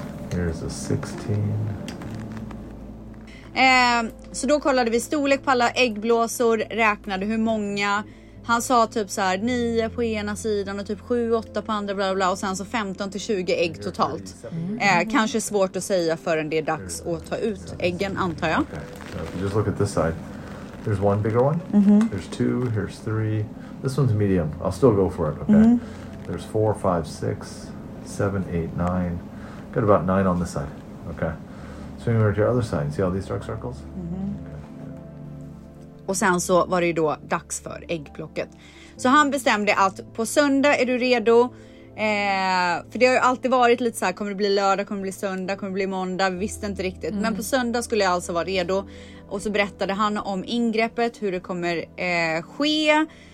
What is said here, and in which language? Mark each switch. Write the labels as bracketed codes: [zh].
[en] Here's a 16. [sv] Så då kollade vi storlek på alla äggblåsor, räknade hur många. Han sa typ så här 9 på ena sidan och typ 7, 8 på andra, bla bla bla, och sen så 15 till 20 ägg totalt. Kanske svårt att säga förrän det är dags att ta ut äggen, antar jag. [en] Okay. So just look at this side. There's one bigger one. Mm-hmm. There's two, here's three. This one's medium. I'll still go for it, okay? Mm-hmm. There's 4, 5, 6, 7, 8, 9. Got about 9 on this side. Okay. Swing over to your other side. See all these dark circles? Mm-hmm. [sv] Och sen så var det ju då dags för äggplocket. Så han bestämde att på söndag är du redo. För det har ju alltid varit lite så här, kommer det bli lördag, kommer det bli söndag, kommer det bli måndag. Vi visste inte riktigt. Mm. Men på söndag skulle jag alltså vara redo. Och så berättade han om ingreppet, hur det kommer ske.